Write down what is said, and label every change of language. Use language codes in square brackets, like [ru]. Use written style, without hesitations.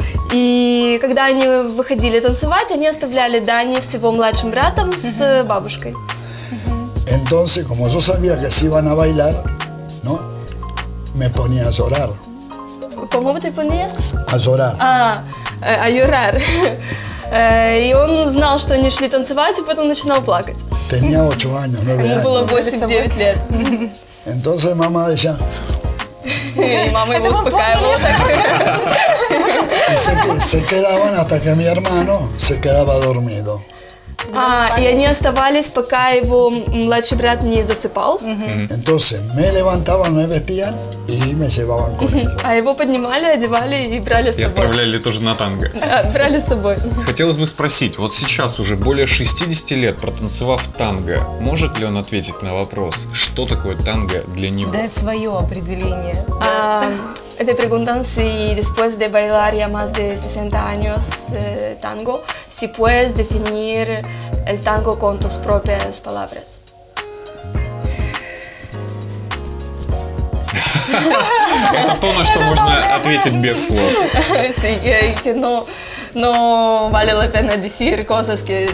[ru] И когда они выходили танцевать, они оставляли Дани с его младшим братом, с бабушкой. [es] Entonces, como yo sabía que si iban a bailar, ¿no? Me ponía a llorar. ¿Cómo te ponías? A llorar. A llorar. [ru] И он знал, что они шли танцевать, и потом начинал плакать. [es] Tenía 8 años, 9 años. [ru] Ему было 8-9 лет. [es] Entonces [ru] мама [es] decía... [ru] И мама его успокаивала так. [es] Y se quedaban hasta que mi hermano se quedaba dormido. [ru] И они оставались, пока его младший брат не засыпал. [es] Entonces, me levantaban, me vestían y me llevaban con ellos. [ru] А его поднимали, одевали и брали с собой. И отправляли тоже на танго. Брали с собой. Хотелось бы спросить, вот сейчас уже более 60 лет протанцевав танго, может ли он ответить на вопрос, что такое танго для него? Дай свое определение. [es] Te preguntan si después de bailar ya más de 60 años tango, si puedes definir el tango con tus propias palabras. [ru] Это то, на что можно ответить без слов. [es] Sí, que no vale la pena decir cosas que...